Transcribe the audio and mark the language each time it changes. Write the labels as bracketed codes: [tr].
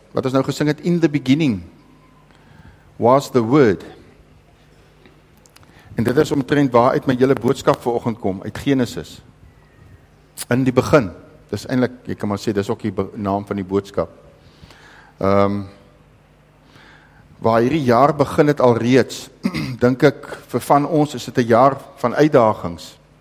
[af] Wat ons nou gesing het, [en] in the beginning was the word. [af] En dit is omtrent waar uit my julle boodskap vanoggend kom, uit Genesis. In die begin. Dis eintlik, jy kan maar sê, dis ook die naam van die boodskap. Waar hierdie jaar begin het al reeds, dink ek, vir van ons is dit 'n jaar van uitdagings.